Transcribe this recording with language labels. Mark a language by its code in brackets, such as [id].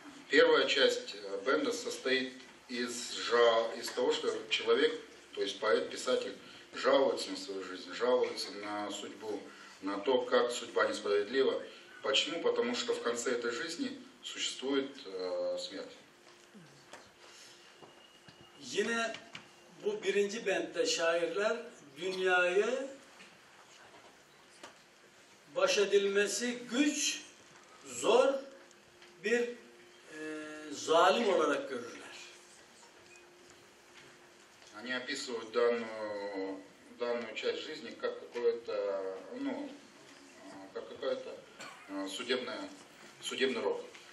[ru] Первая часть бенда состоит из того, что человек, то есть поэт, писатель, жалуется на свою жизнь, жалуется на судьбу, на то, как судьба несправедлива, Почему? Потому что в конце этой жизни существует смерть. [tr] Yine bu birinci bentte şairler dünyayı baş edilmesi güç, zor bir zalim olarak görürler. [ru] Они описывают данную часть жизни как какое-то, ну, как какое-то судебный рок.